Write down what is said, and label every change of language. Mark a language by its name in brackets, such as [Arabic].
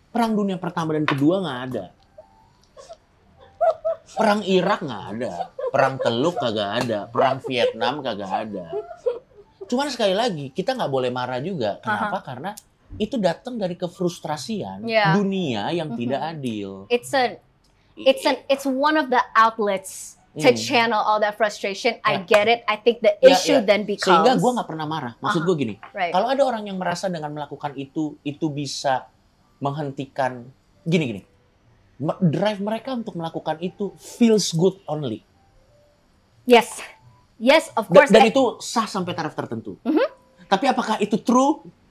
[Indonesian] Perang Dunia Pertama dan Kedua nggak ada. Perang Irak nggak ada. Perang Teluk kagak ada. Perang Vietnam kagak ada. Cuman sekali lagi kita nggak boleh marah juga. Kenapa? Karena itu datang dari kefrustrasian dunia yang tidak adil. [English] It's one of the outlets to channel all that frustration. I get it. I think the issue then becomes. [Indonesian] Sehingga gue nggak pernah marah. Maksud gue gini. Kalau ada orang yang merasa dengan melakukan itu bisa menghentikan gini. Drive mereka untuk melakukan itu [English] feels good only. Yes, of course. [Indonesian] Dan itu sah sampai taraf tertentu. Tapi apakah itu true?